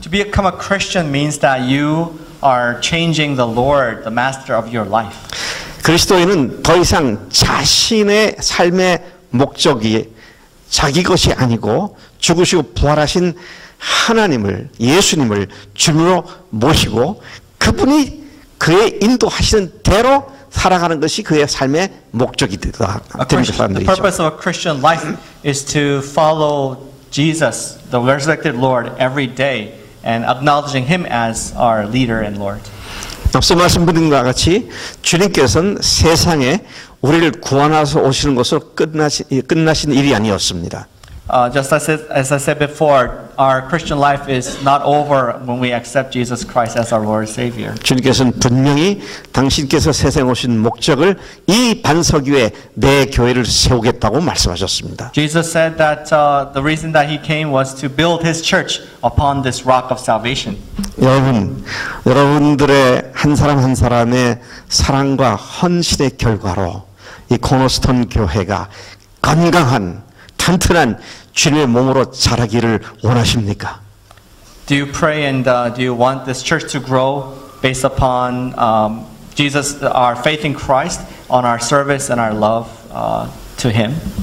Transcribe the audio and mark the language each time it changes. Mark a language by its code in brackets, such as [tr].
[en] To become a Christian means that you are changing the Lord, the master of your life. [ko] 그리스도인은 더 이상 자신의 삶의 목적이 자기 것이 아니고 죽으시고 부활하신 하나님을 예수님을 주님으로 모시고 그분이 그의 인도하시는 대로 살아가는 것이 그의 삶의 목적이 되다. [en] The purpose of a Christian life is to follow Jesus, the resurrected Lord, every day and acknowledging Him as our leader and Lord. [ko] 앞서 말씀드린 것과 같이 주님께서는 세상에 우리를 구원하여 오시는 것으로 끝나신 일이 아니었습니다. [en] Just as I said before, our Christian life is not over when we accept Jesus Christ as our Lord and Savior. [ko] 주님께서는 분명히 당신께서 세상에 오신 목적을 이 반석 위에 내 교회를 세우겠다고 말씀하셨습니다. [en] Jesus said that the reason that he came was to build his church upon this rock of salvation. [ko] 여러분들의 한 사람 한 사람의 사랑과 헌신의 결과로 이 코너스톤 교회가 건강한 튼튼한 주님의 몸으로 자라기를 원하십니까? [en] Do you pray and do you want this church to grow based upon Jesus, our faith in Christ, on our service and our love to Him?